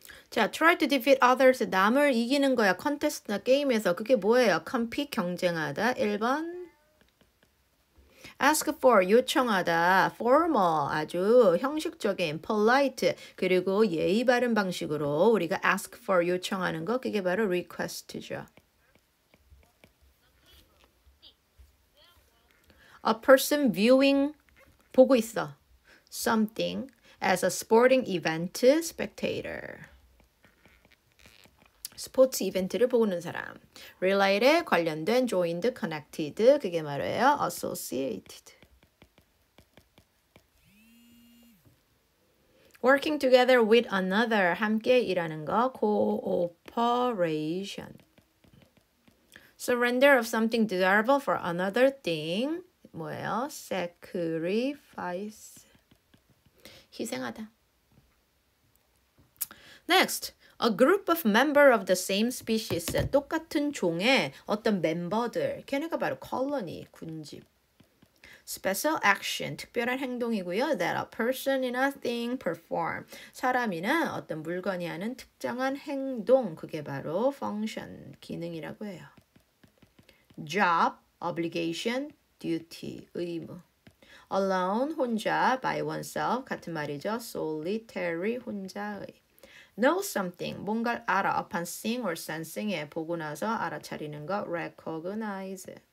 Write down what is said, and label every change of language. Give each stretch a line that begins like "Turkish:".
Korean: 자,
English: try to defeat others,
Korean: 남을 이기는 거야, 컨테스트나 게임에서. 그게 뭐예요?
English: Compete, 경쟁하다.
Korean: 1번.
English: Ask for,
Korean: 요청하다. Formal, 아주 형식적인, polite, 그리고 예의 바른 방식으로 우리가 ask for, 요청하는 거, 그게 바로 request죠.
English: A person viewing,
Korean: 보고 있어.
English: Something as a sporting event, spectator.
Korean: 스포츠 이벤트를 보는 사람. Related, 관련된,
English: joined, connected,
Korean: 그게 말이에요.
English: Associated. Working together with another,
Korean: 함께 일하는 거.
English: Cooperation. Surrender of something desirable for another thing.
Korean: 뭐예요? Sacrifice. 희생하다.
English: Next. A group of members of the same species,
Korean: 똑같은 종의 어떤 멤버들, 걔네가 바로
English: colony, 군집. Special action,
Korean: 특별한 행동이고요.
English: That a person in a thing perform,
Korean: 사람이나 어떤 물건이 하는 특정한 행동, 그게 바로 function, 기능이라고 해요.
English: Job, obligation, duty, 의무. Alone, 혼자, by oneself,
Korean: 같은 말이죠.
English: Solitary, 혼자의. Know something,
Korean: 뭔가를 알아,
English: upon seeing or sensing it,
Korean: 보고 나서 알아차리는 거,
English: recognize.